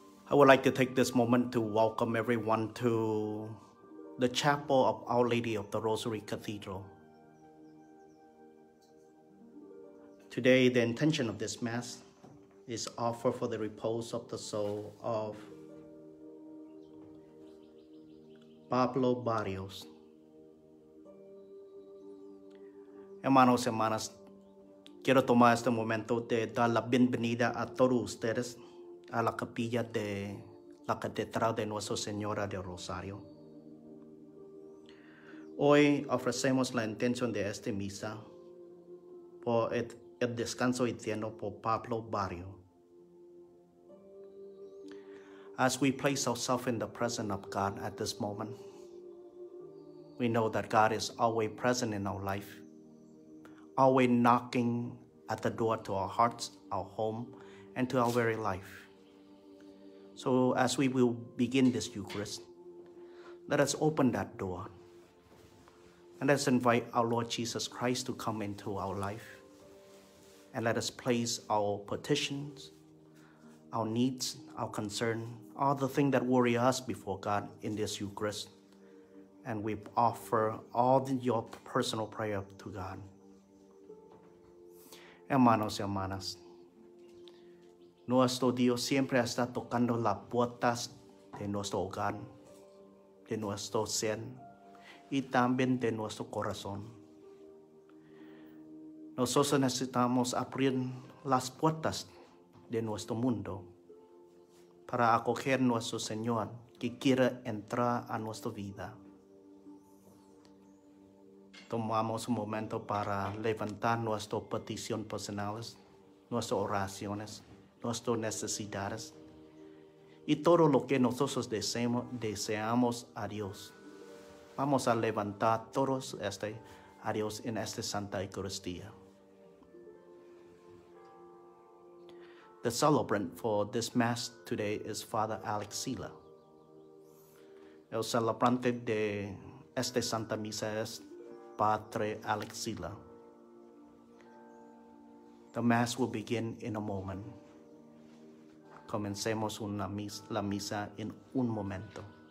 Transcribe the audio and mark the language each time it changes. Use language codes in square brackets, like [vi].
[en] I would like to take this moment to welcome everyone to the Chapel of Our Lady of the Rosary Cathedral. Today, the intention of this Mass is offer for the repose of the soul of Pablo Barrios. [es] Hermanos y hermanas, quiero tomar este momento de dar la bienvenida a todos ustedes a la capilla de la Catedral de Nuestra Señora del Rosario. Hoy ofrecemos la intención de esta misa por el descanso eterno por Pablo Barrio. [en] As we place ourselves in the presence of God at this moment, we know that God is always present in our life, always knocking at the door to our hearts, our home, and to our very life. So as we will begin this Eucharist, let us open that door. And let us invite our Lord Jesus Christ to come into our life. And let us place our petitions, our needs, our concern, all the things that worry us before God in this Eucharist. And we offer all your personal prayer to God. [es] Hermanos y hermanas, nuestro Dios siempre está tocando las puertas de nuestro hogar, de nuestro ser y también de nuestro corazón. Nosotros necesitamos abrir las puertas de nuestro mundo para acoger a nuestro Señor que quiere entrar a nuestra vida. Tomamos un momento para levantar nuestras peticiones personales, nuestras oraciones, nuestras necesidades y todo lo que nosotros deseamos a Dios. Vamos a levantar todos a Dios en esta Santa Eucaristía. [en] The celebrant for this Mass today is Father Alex Sila. [es] El celebrante de esta Santa Misa es Padre Alex Sila. [en] The Mass will begin in a moment. [es] Comencemos la misa en un momento.